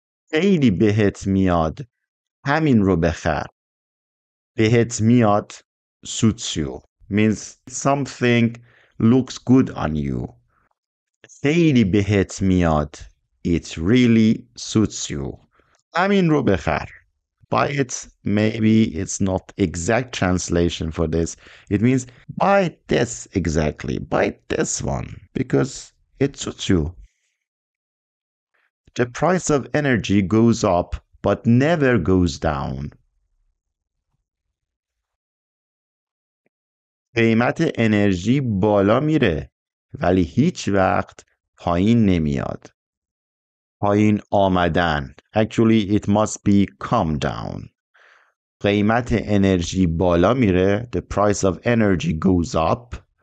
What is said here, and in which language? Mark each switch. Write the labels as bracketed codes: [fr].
[fa] خیلی بهت میاد. همین رو بخر. بهت میاد [en] suits you means something looks good on you. [fa] خیلی بهت میاد. [en] It really suits you. [fa] همین رو بخر. [en] Buy it. Maybe it's not exact translation for this. It means buy this exactly. Buy this one because it suits you. The price of energy goes up but never goes down. [fa] قیمت انرژی بالا میره ولی هیچ وقت پایین نمیاد. پایین آمدن. [en] Actually, it must be come down. [fa] قیمت انرژی بالا میره. [en] The price of energy goes up.